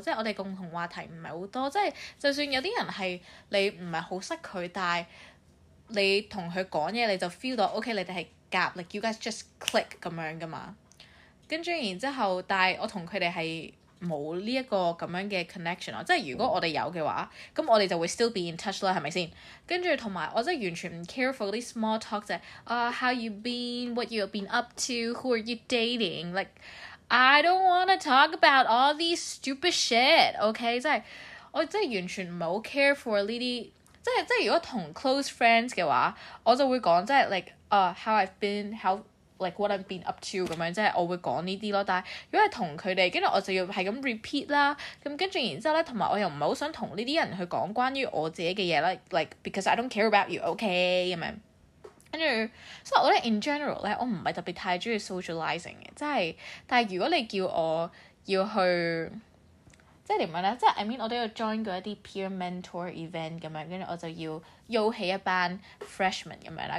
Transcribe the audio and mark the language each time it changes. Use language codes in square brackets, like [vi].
[yue] 即係我哋共同話題唔係好多。即係就算有啲人係你唔係好識佢，但係你同佢講嘢，你就 feel 到 OK， 你哋係夾 ， [en] like you guys just click [yue] 咁樣噶嘛。跟住然之後，但係我同佢哋係冇呢一個咁樣嘅 connection 咯，即係如果我哋有嘅話，咁我哋就會 [en] still be in touch [yue] 啦，係咪先？跟住同埋我真係完全唔 [en] care for [yue] 啲 [en] small talk [yue] 啫， [en] how you been? What you been up to? Who are you dating? Like I don't wanna talk about all these stupid shit. [yue] Okay， 即係我真係完全唔係好 [en] care for [yue] 呢啲，即係如果同 [en] close friends [yue] 嘅話，我就會講即係 [en] like how I've been how。 Like what I've been up to [yue] 咁樣，即係我會講呢啲咯。但係如果係同佢哋，跟住我就要係咁 repeat 啦。咁跟住然之後咧，同埋我又唔係好想同呢啲人去講關於我自己嘅嘢啦。 [en] Like because I don't care about you, okay [yue] 咁樣。跟住，所以我覺得 [en] in general [yue] 咧，我唔係特別太中意 socializing 嘅，即係。但係如果你叫我要去，即係點樣咧？即係 [en] I mean [yue] 我都要 join 過一啲 [en] peer mentor event [yue] 咁樣，跟住我就要邀起一班 freshman 咁樣啦。